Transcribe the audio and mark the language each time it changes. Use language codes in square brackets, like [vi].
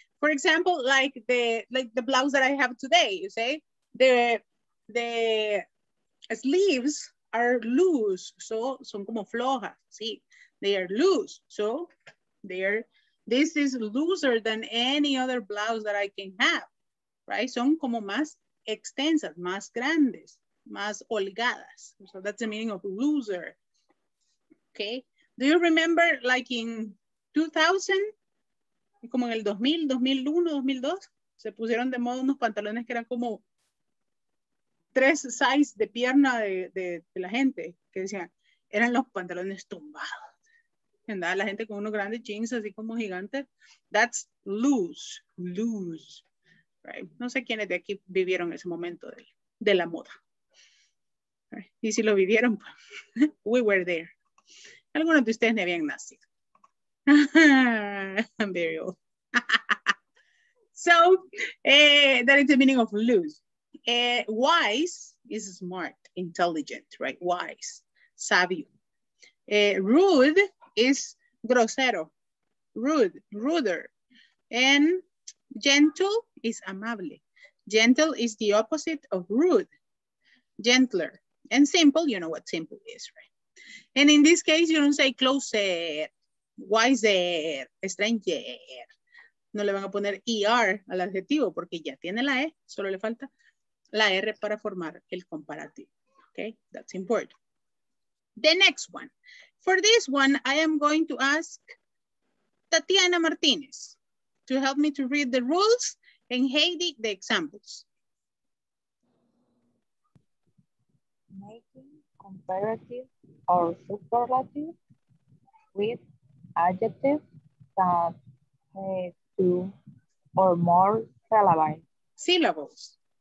[en] For example, like the blouse that I have today, you say the sleeves are loose. So, [es] son como flojas, sí. [en] They are loose. So, this is looser than any other blouse that I can have, right? [es] Son como más extensas, más grandes, más holgadas. [en] So, that's the meaning of loser, okay? Do you remember like in 2000, [es] como en el 2000, 2001, 2002, se pusieron de moda unos pantalones que eran como tres size de pierna de la gente, que decían, eran los pantalones tumbados. ¿Verdad? La gente con unos grandes jeans así como gigantes. [en] That's loose, loose. Right? [es] No sé quiénes de aquí vivieron ese momento de la moda. [en] Right? [es] Y si lo vivieron, [en] we were there. [es] Algunos de ustedes ni habían nacido. [en] I'm very old. So, that is the meaning of loose. Wise is smart, intelligent, right? Wise, sabio. Rude is grosero, rude, ruder. And gentle is amable. Gentle is the opposite of rude, gentler. And simple, you know what simple is, right? And in this case, you don't say closer, wiser, stranger. [es] No le van a poner ER al adjetivo porque ya tiene la E. Solo le falta la R para formar el comparativo. [en] Okay, that's important. The next one. For this one, I am going to ask Tatiana Martinez to help me to read the rules and Heidi the examples. Making comparative or superlative with adjectives that have two or more syllables.